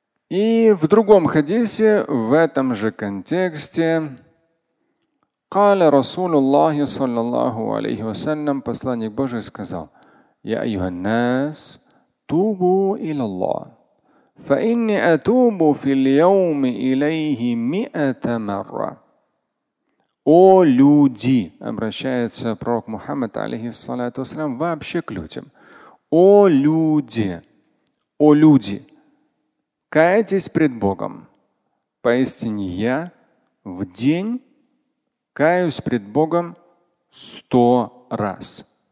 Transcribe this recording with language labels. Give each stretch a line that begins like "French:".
Russian: И в другом хадисе, в этом же контексте,
Arabic: قال رسول الله صلى الله عليه وسلم,
Russian: посланник Божий сказал:
Arabic: «Я айюха нас, тубу иля Аллах». فإني أتوب في اليوم إليه مئة مرة.
Russian: О люди, обращается пророк Мухаммад, алейхиссалату вассалям, вообще к людям. О люди, о люди, кайтесь пред Богом. Поистине я в день каюсь пред Богом 100 раз.